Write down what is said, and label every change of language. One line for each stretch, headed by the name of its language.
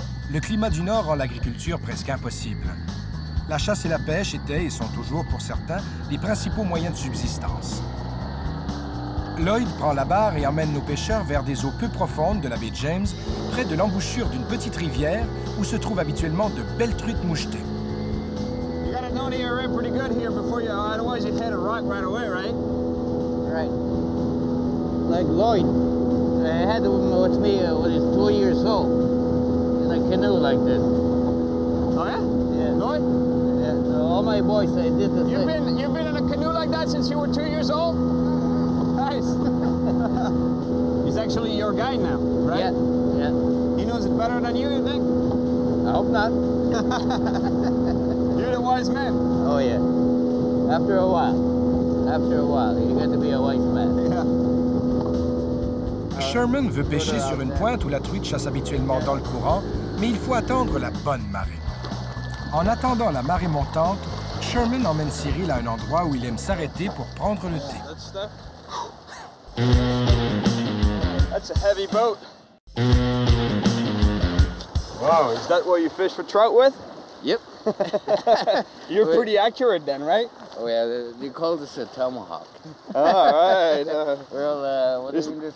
French: Le climat du Nord rend l'agriculture presque impossible. La chasse et la pêche étaient et sont toujours, pour certains, les principaux moyens de subsistance. Lloyd prend la barre et emmène nos pêcheurs vers des eaux peu profondes de la baie James, près de l'embouchure d'une petite rivière où se trouvent habituellement de belles truites mouchetées.
English: You gotta know the area pretty good here before you, otherwise you'd hit a rock right away, right? Right. Like Lloyd, I had him with me when he's 2 years old. Canoe like this. Oh yeah? Yeah. Lloyd? Yeah. So all my boys, I did the same. You've been in a canoe like that since you were 2 years old? Nice. He's actually your guy now, right? Yeah. Yeah. He knows it better than you think? I hope not. You're the wise man. Oh yeah. After a while, you get to be a wise man. Yeah.
French: Sherman veut pêcher sur une pointe où la truite chasse habituellement dans le courant. Mais il faut attendre la bonne marée. En attendant la marée montante, Sherman emmène Cyril à un endroit où il aime s'arrêter pour prendre le thé.
English: That's a heavy boat. Wow, is that what you fish for trout with? Yep. You're pretty accurate then, right? Oh yeah, they call this a tomahawk. All right.